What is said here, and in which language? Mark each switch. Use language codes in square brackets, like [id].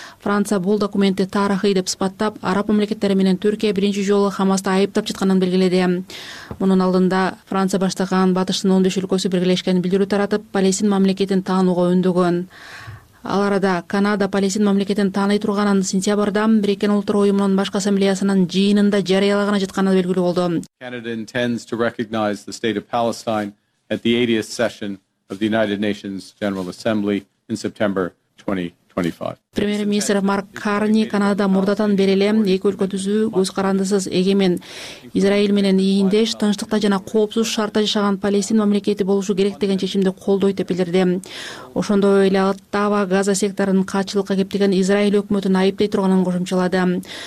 [ky] Франция бул документти тарыхый деп сыпаттап, араб мамлекеттери менен Түркия биринчи жолу Хамасты айыптап жатканын белгиледи. Мунун алдында Франция баштаган батыштын 15 өлкөсү биргелешкен билдирүү таратып, Палестин мамлекетин таанууга үндөгөн. Ал арада Канада Палестин мамлекетин тааный турганын сентябрда Бириккен Улуттар Уюмунун баш ассамблеясынын жыйынында жарыялаганы жатканы белгилүү болду. [en] Canada intends to recognize the state of Palestine at the 80th session of the United Nations General Assembly in September 2025. [ky] Премьер-министр Марк Карни Канада мурдатан бери эле эки өлкө түзүү, көз карандысыз эгемен Израиль менен ийиндеш, тынчтыкта жана коопсуз шартта жашаган Палестин мамлекети болушу керек деген чечимди колдойт деп билдирди. Ошондой эле Оттава Газа секторунун каачылыкка кептиген Израиль өкмөтүн айыптай турганын кошумчалады.